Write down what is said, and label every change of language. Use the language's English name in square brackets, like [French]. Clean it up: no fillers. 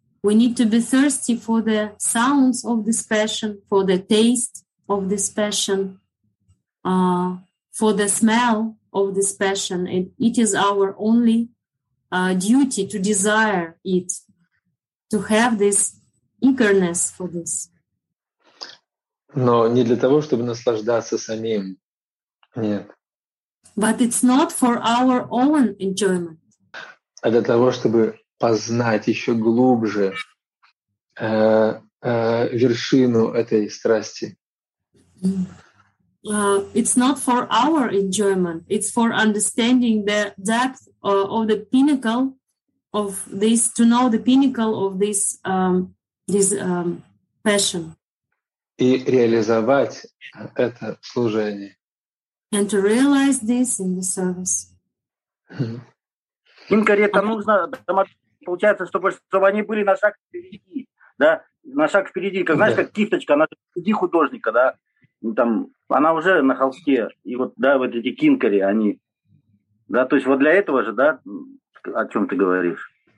[English] We need to be thirsty for the sounds of this passion, for the taste of this passion, for the smell of this passion. And it is our only duty to desire it, to have this eagerness for this. [Russian] Но не для того, чтобы наслаждаться самим. Нет. [English] But it's not for our own enjoyment. [Russian] А для того, чтобы познать еще глубже вершину этой страсти. [English] It's not for our enjoyment. It's for understanding the depth of the pinnacle of this, to know the pinnacle of this passion. [Russian] и реализовать это служение. [English] And to realize this in the service. [Russian] Ингари, это нужно, получается, чтобы они были на шаг впереди, да, на шаг впереди, как, знаешь, как кисточка, она впереди художника, да, там, она уже на холсте, и вот, да, вот эти кинкари, они, да, то есть вот для этого же, да, о чем ты говоришь?